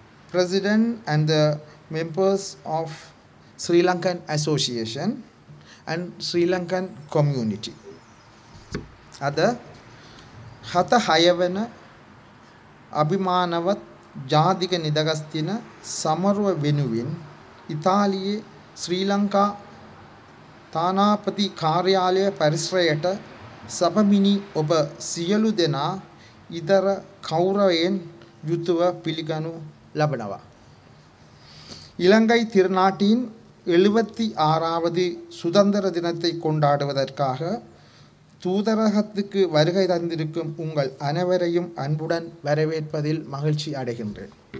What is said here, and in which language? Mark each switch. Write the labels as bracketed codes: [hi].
[en] President and the members of Sri Lankan Association and Sri Lankan Community. [si] Other 76 වන අභිමානවත් ජාතික නිදහස් දින සමරුව වෙනුවෙන් ඉතාලියේ ශ්‍රී ලංකා තානාපති කාර්යාලය පරිසරයට සභමිනි ඔබ සියලු දෙනා ඉදර කෞරවයෙන් යුතුව පිළිගනු ලබනවා. [ta] இலங்கை திருநாட்டின் 76வது சுதந்திர தினத்தை கொண்டாடுவதற்காக தூதரகத்துக்கு வருகை தந்திருக்கும் உங்கள் அனைவரையும் அன்புடன் வரவேற்பதில் மகிழ்ச்சி அடைகின்றேன்.